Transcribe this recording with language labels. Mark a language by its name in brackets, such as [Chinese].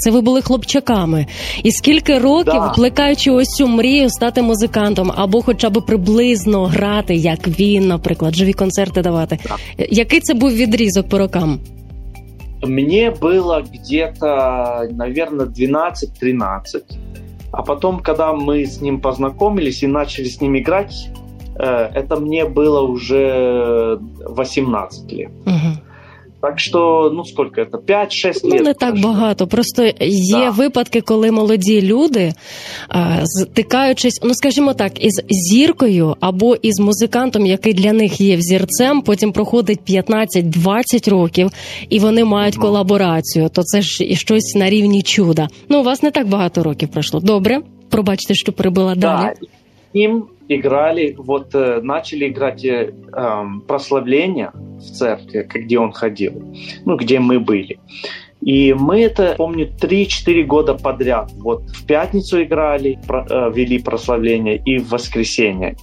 [Ukrainian] Це ви були хлопчаками. І скільки років, да, плекаючи ось цю мрію стати музикантом, або хоча б приблизно грати, як він, наприклад, живі концерти давати. Да. Який це був відрізок по рокам? Мені [Russian] було где-то, наверное, 12-13. А потом, когда мы с ним познакомились и начали с ним играть, это мне было уже 18 лет. Угу. Так что, ну сколько это, 5-6 лет. [Ukrainian] Ну не так багато, просто є, да, випадки, коли молоді люди, стикаючись, ну скажімо так, із зіркою або із музикантом, який для них є взірцем, потім проходить 15-20 років, і вони мають колаборацію, то це ж і щось на рівні чуда. Ну у вас не так багато років пройшло. Добре, пробачте, що перебила далі. [Russian] Так, да, їм играли, вот начали играть прославление в церкви, где он ходил, ну, где мы были. И мы это, помню, 3-4 года подряд, вот в пятницу играли, вели прославление, и в воскресенье.